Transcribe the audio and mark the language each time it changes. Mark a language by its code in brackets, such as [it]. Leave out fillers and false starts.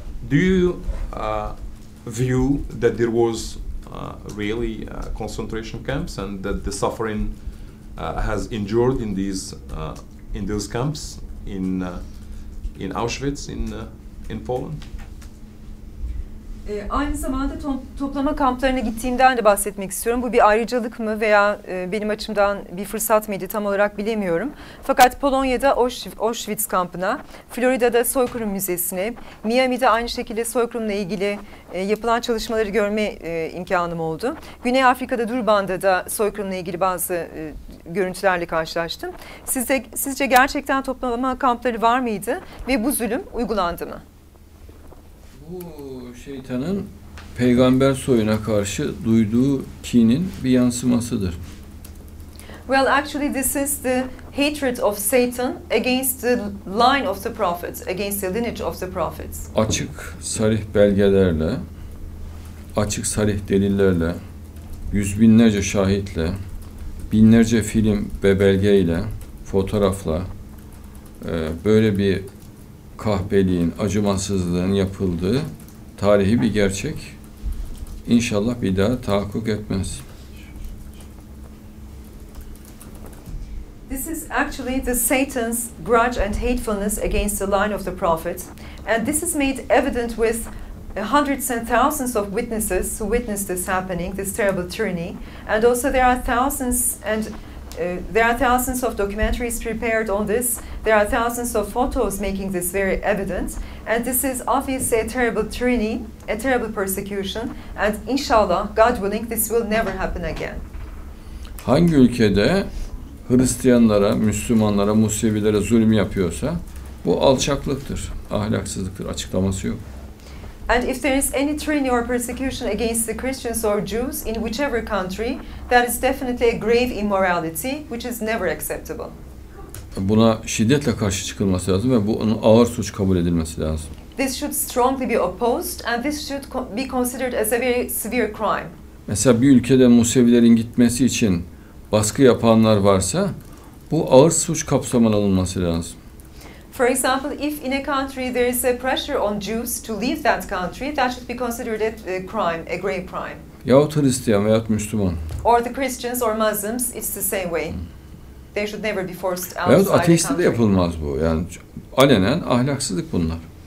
[en] Do you view that there was really concentration camps and that the suffering has endured in those camps in Auschwitz in Poland. [tr] Aynı zamanda toplama kamplarına gittiğimden de bahsetmek istiyorum. Bu bir ayrıcalık mı veya benim açımdan bir fırsat mıydı tam olarak bilemiyorum. Fakat Polonya'da Auschwitz kampına, Florida'da Soykırım Müzesi'ne, Miami'de aynı şekilde soykırımla ilgili yapılan çalışmaları görme imkanım oldu. Güney Afrika'da Durban'da da soykırımla ilgili bazı görüntülerle karşılaştım. Sizce gerçekten toplama kampları var mıydı ve bu zulüm uygulandı mı? Bu şeytanın peygamber soyuna karşı duyduğu kinin bir yansımasıdır. [en] Well, actually this is the hatred of Satan against the line of the prophets, against the lineage of the prophets. [tr] Açık, sarih belgelerle, açık, sarih delillerle, yüz binlerce şahitle, binlerce film ve belgeyle, fotoğrafla böyle bir kahpeliğin, acımasızlığın yapıldığı tarihi bir gerçek. İnşallah bir daha tahakkuk etmez. [en] This is actually the Satan's grudge and hatefulness against the line of the prophet. And this is made evident with hundreds and thousands of witnesses who witnessed this happening, this terrible tyranny. And also there are thousands and there are thousands of documentaries prepared on this. There are thousands of photos making this very evident. And this is obviously a terrible tyranny, a terrible persecution. And inshallah, God willing, this will never happen again. [tr] Hangi ülkede Hristiyanlara, Müslümanlara, Musevilere zulüm yapıyorsa, bu alçaklıktır, ahlaksızlıktır, açıklaması yok. [en] And if there is any tyranny or persecution against the Christians or Jews in whichever country, that is definitely a grave immorality, which is never acceptable. [tr] Buna şiddetle karşı çıkılması lazım ve bunun ağır suç kabul edilmesi lazım. [en] This should strongly be opposed and this should be considered as a very severe crime. [tr] Mesela bir ülkede Musevilerin gitmesi için baskı yapanlar varsa, bu ağır suç kapsamına alınması lazım. [en] For example, if in a country there is a pressure on Jews to leave that country, that should be considered a crime, a grave crime. [tr] Yahut Hristiyan veyahut Müslüman. [en] Or the Christians or Muslims, it's the same way. They should never be forced outside. [tr] Veyahut ateistte de yapılmaz bu. Yani alenen ahlaksızlık bunlar.